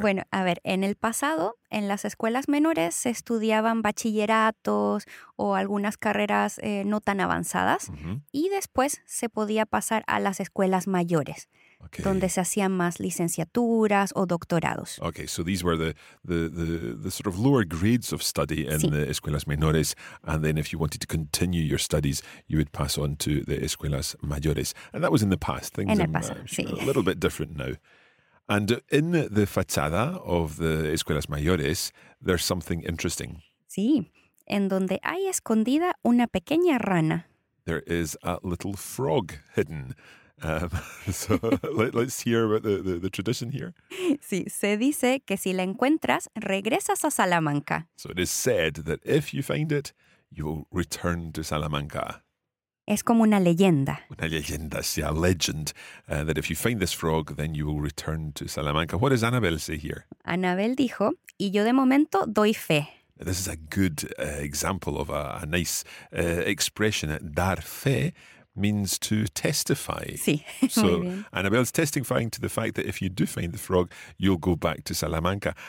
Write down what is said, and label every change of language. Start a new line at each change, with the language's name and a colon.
Spanish: Bueno, a ver, en el pasado, en las escuelas menores se estudiaban bachilleratos o algunas carreras no tan avanzadas. Uh-huh. Y después se podía pasar a las escuelas mayores, okay, donde se hacían más licenciaturas o doctorados.
English: Okay, so these were the sort of lower grades of study in the escuelas menores. And then if you wanted to continue your studies, you would pass on to the escuelas mayores. And that was in the past. Things
Spanish: en el pasado, are, sí.
English: A little bit different now. And in the fachada of the escuelas mayores, there's something interesting.
Spanish: Sí, en donde hay escondida una pequeña rana.
English: There is a little frog hidden. So let's hear about the tradition here.
Spanish: Sí, se dice que si la encuentras, regresas a Salamanca.
English: So it is said that if you find it, you will return to Salamanca.
Spanish: Es como una leyenda. Una leyenda, sí,
English: a legend. That if you find this frog, then you will return to Salamanca. What does Annabelle say here?
Spanish: Annabelle dijo, y yo de momento doy fe.
English: Now, this is a good example of a nice expression. Dar fe means to testify.
Spanish: Sí.
English: So Annabelle's testifying to the fact that if you do find the frog, you'll go back to Salamanca.